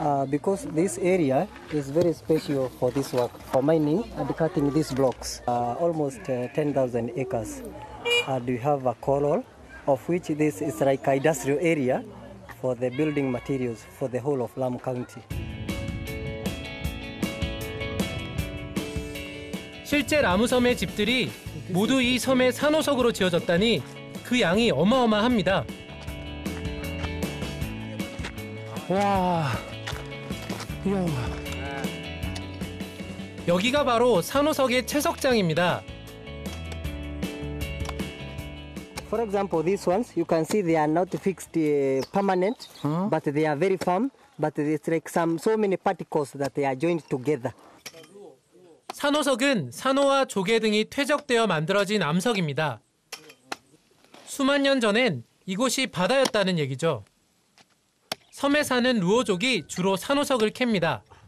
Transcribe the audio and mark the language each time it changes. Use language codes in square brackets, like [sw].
[en] Because this area is very special for this work, for mining and cutting these blocks. Almost 10,000 acres. And we have a coral, of which this is like an industrial area for the building materials for the whole of Lamu County. [ko] 실제 라무섬의 집들이 모두 이 섬의 산호석으로 지어졌다니 그 양이 어마어마합니다. 와, 이야. 여기가 바로 산호석의 채석장입니다. [en] For example, these ones you can see they are not fixed permanent, but they are very firm. But it's like so many particles that they are joined together. [ko] 산호석은 산호와 조개 등이 퇴적되어 만들어진 암석입니다. 수만 년 전엔 이곳이 바다였다는 얘기죠. 섬에 사는 루어족이 주로 산호석을 캡니다.